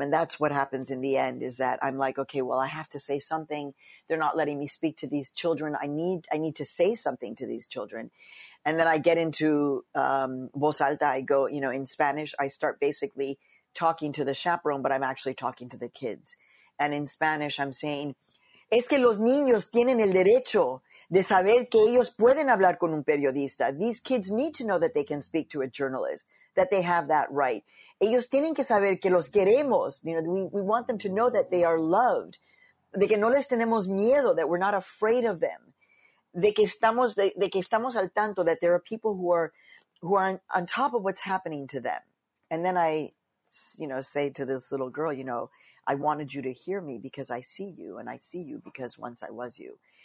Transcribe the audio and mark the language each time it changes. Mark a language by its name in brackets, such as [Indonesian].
[English] And that's what happens in the end, is that I'm like, okay, well, I have to say something. They're not letting me speak to these children. I need to say something to these children. And then I get into [Spanish] voz alta. [English] I go, you know, in Spanish, I start basically talking to the chaperone, but I'm actually talking to the kids. And in Spanish, I'm saying, [Spanish] es que los niños tienen el derecho de saber que ellos pueden hablar con un periodista. [English] These kids need to know that they can speak to a journalist, that they have that right. [Spanish] Ellos tienen que saber que los queremos. [English] You know, we want them to know that they are loved. [Spanish] De que no les tenemos miedo, [English] that we're not afraid of them. [Spanish] De que estamos al tanto, [English] that there are people who are on top of what's happening to them. And then I, you know, say to this little girl, you know, I wanted you to hear me because I see you, and I see you because once I was you.